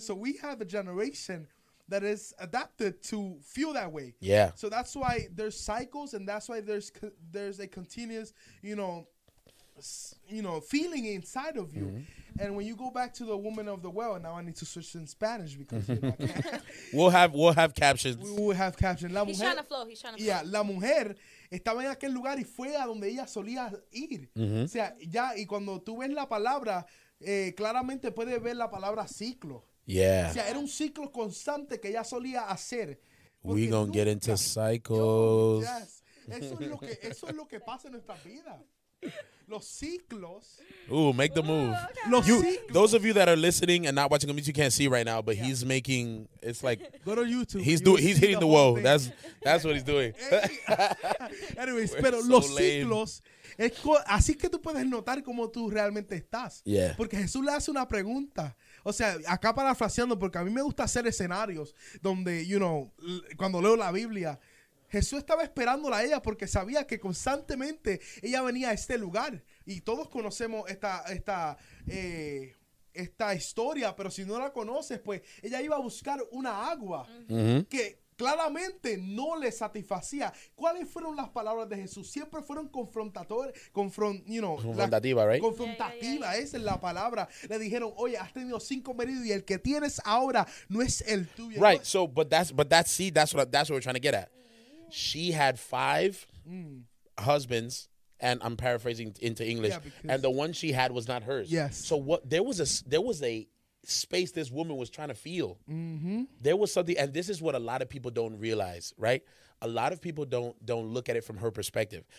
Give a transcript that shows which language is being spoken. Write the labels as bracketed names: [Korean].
[English] So we have a generation that is adapted to feel that way. Yeah. So that's why there's cycles, and that's why there's a continuous, you know, feeling inside of you. Mm-hmm. And when you go back to the woman of the well, now I need to switch in Spanish because, you know, we'll have captions. We will have captions. He's trying to flow. Yeah, [Spanish] la mujer estaba en aquel lugar y fue a donde ella solía ir. Mm-hmm. O sea, ya, y cuando tú ves la palabra, claramente puedes ver la palabra ciclo. [English] Yeah. [Spanish] O sea, era un ciclo constante que ella solía hacer. [English] We gonna get into cycles. Yes. [Spanish] Eso es lo que pasa en nuestra vida. Los ciclos. [English] Ooh, make the move. Ooh, okay. You, those of you that are listening and not watching him, you can't see right now, but he's making, it's like, go to YouTube. He's hitting the wall. That's what he's doing. Anyways, [Spanish] pero [English] so [Spanish] los lame. Ciclos. Así que tú puedes notar cómo tú realmente estás. [English] Yeah. [Spanish] Porque Jesús le hace una pregunta. O sea, acá parafraseando, porque a mí me gusta hacer escenarios donde, [English] you know, [Spanish] cuando leo la Biblia, Jesús estaba esperándola a ella porque sabía que constantemente ella venía a este lugar. Y todos conocemos esta historia, pero si no la conoces, pues ella iba a buscar una agua mm-hmm. que claramente no le satisfacía. ¿Cuáles fueron las palabras de Jesús? Siempre fueron confrontativas, [English] right? [Spanish] Confrontativa, esa es la palabra. Le dijeron, oye, has tenido 5 maridos y el que tienes ahora no es el tuyo. [English] Right, so, but that's what we're trying to get at. She had 5 husbands, and I'm paraphrasing into English, and the one she had was not hers. Yes. So what? There was a space this woman was trying to feel. Mm-hmm. There was something, and this is what a lot of people don't realize, right? A lot of people don't look at it from her perspective.